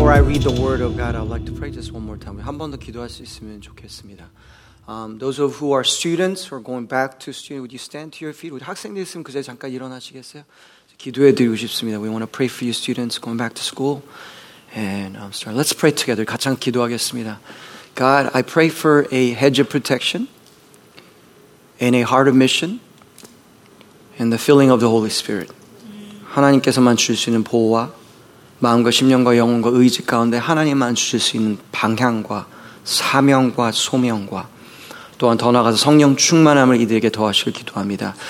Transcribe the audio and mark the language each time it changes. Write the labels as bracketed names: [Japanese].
[Korean] 다음에 한 번 더 기도할 수 있으면 좋겠습니다. [English] Those of who are students or going back to student, would you stand to your feet? [Korean] 우리 학생들 있으면 그제 잠깐 일어나시겠어요? 기도해 드리고 싶습니다. [English] We want to pray for you students going back to school. And start. Let's pray together. [Korean] 같이 한번 기도하겠습니다. [English] God, I pray for a hedge of protection and a heart of mission and the filling of the Holy Spirit. [Korean] 하나님께서만 주실 수 있는 보호와 마음과 심령과 영혼과 의지 가운데 하나님만 주실 수 있는 방향과 사명과 소명과 또한 더 나아가서 성령 충만함을 이들에게 더하시길 기도합니다.